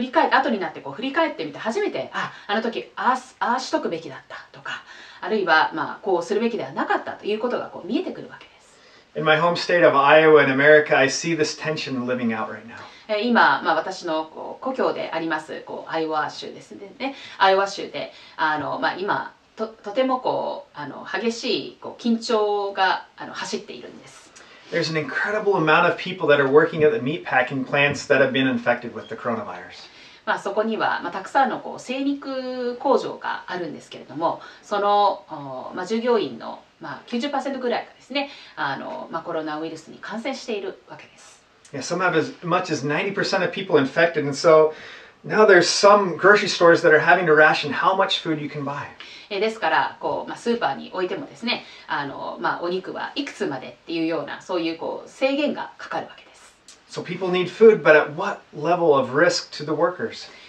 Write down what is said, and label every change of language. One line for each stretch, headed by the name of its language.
Japanese: 後になってこう振り返ってみて初めて あの時ああしとくべきだったとかあるいは、こうするべきではなかったということがこう見えてくるわけです。
English: In my home state of Iowa in America, I see this tension living out right now.
Japanese: 今、私のこう故郷でありますこうアイオワ州ですね。アイオワ州で今とてもこう激しいこう緊張が走っているんです。
English: There's an incredible amount of people that are working at the meatpacking plants that have been infected with the coronavirus.
Japanese: そこには、たくさんのこう精肉工場があるんですけれども、その、従業員の、90% ぐらいがですね、コロナウイルスに感染しているわけです。
English: Yeah, some have as much as 90% of people infected, and so now there's some grocery stores that are having to ration how much food you can buy.
Japanese: ですからこう、スーパーにおいてもですね、お肉はいくつまでっていうような、そういう、こう制限がかかるわけです。
English: So people need food, but at what level of risk to the workers?